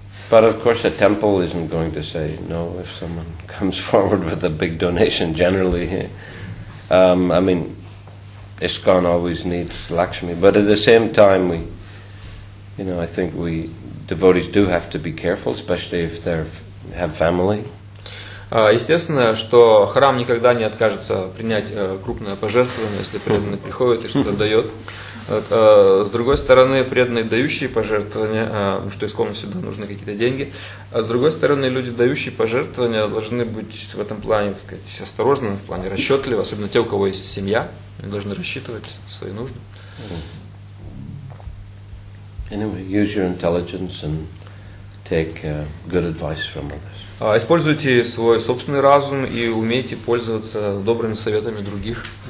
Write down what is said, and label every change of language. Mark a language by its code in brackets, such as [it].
[en] But of course, a temple isn't going to say no if someone comes forward with a big donation generally. I mean, ISKCON always needs Lakshmi. But at the same time, we, you know, I think we devotees do have to be careful, especially if they have family. [ru] Естественно, что храм никогда не откажется принять крупное пожертвование, если преданный приходит и что-то дает. С другой стороны, преданные, дающие пожертвования, что ИСККОН всегда нужны какие-то деньги, а с другой стороны, люди, дающие пожертвования, должны быть в этом плане, так сказать, осторожны, в плане расчетливы, особенно те, у кого есть семья, они должны рассчитывать свои нужды. [en] Anyway, use your intelligence and take good advice from others. [ru] Используйте свой собственный разум и умейте пользоваться добрыми советами других.